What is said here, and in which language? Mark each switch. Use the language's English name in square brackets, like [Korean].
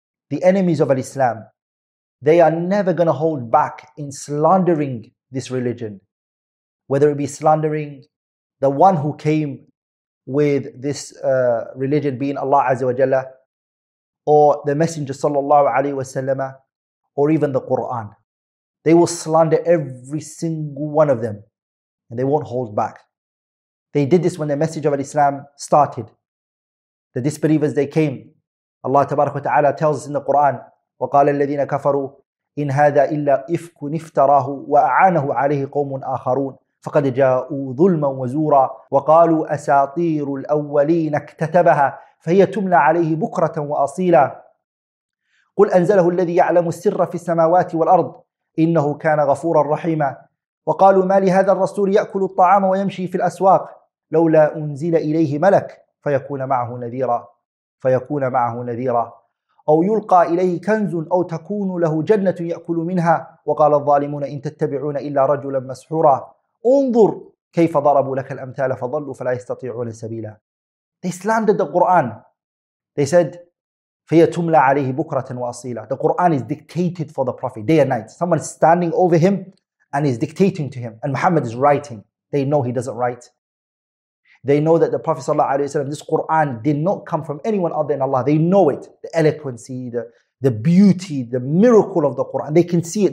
[English] The enemies of al-Islam, they are never going to hold back in slandering this religion, whether it be slandering the one who came with this religion, being Allah Azza wa Jalla, or the Messenger Sallallahu Alaihi Wasallam, or even the Quran. They will slander every single one of them, and they won't hold back. They did this when the message of Islam started. The disbelievers, they came. Allah Tabarak wa Ta'ala tells us in the Quran, [Arabic] وَقَالَ الَّذِينَ كَفَرُوا إِنْ هَذَا إِلَّا إِفْكٌ إِفْتَرَاهُ وَأَعَانَهُ عَلَيْهِ قَوْمٌ آخَرُونَ فَقَدْ جَاءُوا ظُلْمًا وَزُورًا وَقَالُوا أَسَاطِيرُ الْأَوَّلِينَ اكْتَتَبَهَا فَهِيَ تُمْلَى عَلَيْهِ بُكْرَةً وَأَصِيلًا قُلْ أَنزَلَهُ الَّذِي يَعْلَمُ السِّرَّ فِي السَّمَاوَاتِ وَالْأَرْضِ إِنَّهُ كَانَ غَفُورًا رَحِيمًا وَقَالُوا مَا لِهَذَا الرَّسُولِ يَأْكُلُ الطَّعَامَ وَيَمْشِي فِي الْأَسْوَاقِ لَوْلَا أُنْزِلَ إِلَيْهِ مَلَكٌ فَيَكُونَ مَعَهُ نَذِيرًا أو يلقى إليه كنز أو تكون له جنة يأكل منها وقال الظالمون إن تتبعون إلا رجلا مسحورا انظر كيف ضربوا لك الأمثال فضلوا فلا يستطيعون سبيلا. [English] They slandered the Quran. They said [Arabic] فيتملى عليه بكرة وأصيلا. [English] The Quran is dictated for the Prophet day and night. Someone is standing over him and is dictating to him, and Muhammad is writing. They know he doesn't write. They know that the Prophet sallallahu alaihi wasallam, this Quran did not come from anyone other than Allah. They know it. The eloquency, the beauty, the miracle of the Quran. They can see it.